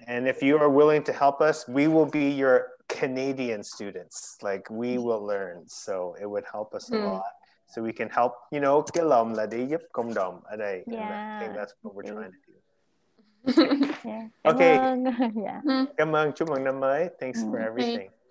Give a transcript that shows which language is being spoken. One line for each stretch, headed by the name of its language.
English: And if you are willing to help us, we will be your Canadian students. Like, we will learn. So it would help us a lot. So we can help, you know,
Vietnamese: cái lòng là để giúp cộng đồng ở đây.
English: Yeah. I think that's what we're trying to do. Okay.
Vietnamese: Cảm ơn. Chúc mừng năm mới.
English: Thanks for everything.